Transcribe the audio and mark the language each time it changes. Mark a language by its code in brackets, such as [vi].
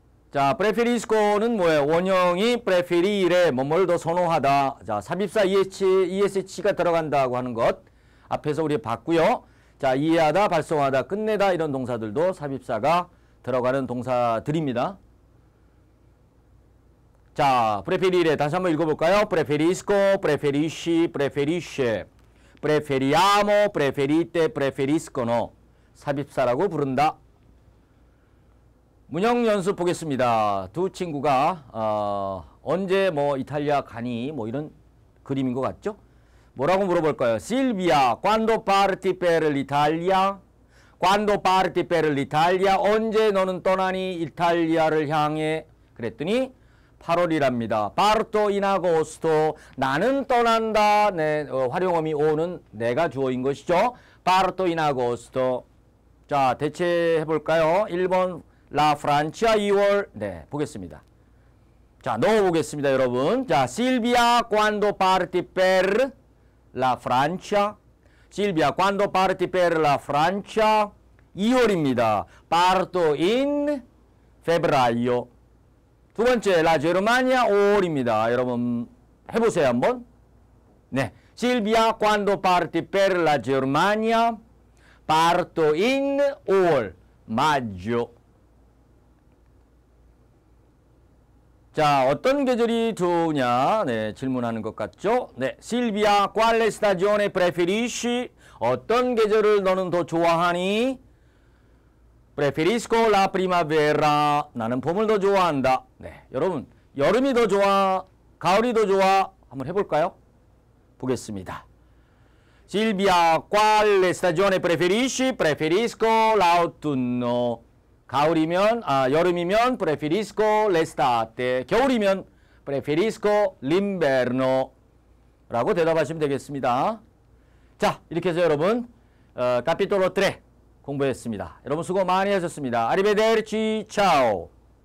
[ko] 자, preferisco는 뭐예요? 원형이 preferire, 뭐뭐를 더 선호하다. 자, 삽입사 ESH가 들어간다고 하는 것. 앞에서 우리 봤고요. 자, 이해하다, 발송하다, 끝내다 이런 동사들도 삽입사가 들어가는 동사들입니다. 자, preferire 다시 한번 읽어볼까요? [it] preferisco, preferisci, preferisce, preferiamo, preferite, preferiscono. [ko] 삽입사라고 부른다. 문형 연습 보겠습니다. 두 친구가 언제 뭐 이탈리아 가니 뭐 이런 그림인 것 같죠? 뭐라고 물어볼까요? [it] Silvia, quando parti per l'Italia? Quando parti per l'Italia? [ko] 언제 너는 떠나니 이탈리아를 향해? 그랬더니 8월이랍니다. [it] Parto in agosto. [ko] 나는 떠난다. 네, 활용어미 오는 내가 주어인 것이죠. [it] Parto in agosto. [ko] 자, 대체해 볼까요? 1번 La Francia 2월. 네, 보겠습니다. 자, 넣어보겠습니다, 여러분. [it] 자, Silvia quando parti per la Francia? Silvia quando parti per la Francia? [ko] 2월입니다. [it] Parto in febbraio. [ko] 두 번째, La Germania 5월입니다. 여러분, 해보세요, 한번. [it] 네, Silvia quando parti per la Germania? Parto in 5월, maggio. [ko] 자, 어떤 계절이 좋으냐? 네, 질문하는 것 같죠? [it] 네, Silvia, quale stagione preferisci? [ko] 어떤 계절을 너는 더 좋아하니? [it] Preferisco la primavera. [ko] 나는 봄을 더 좋아한다. 네, 여러분, 여름이 더 좋아? 가을이 더 좋아? 한번 해볼까요? 보겠습니다. [it] Silvia, quale stagione preferisci? Preferisco l'autunno. [ko] 가을이면, 아, 여름이면 [it] preferisco l'estate. 겨울이면 preferisco l'inverno. [ko] 라고 대답하시면 되겠습니다. 자, 이렇게 해서 여러분, capitolo 3 공부했습니다. 여러분 수고 많이 하셨습니다. [it] Arrivederci, ciao!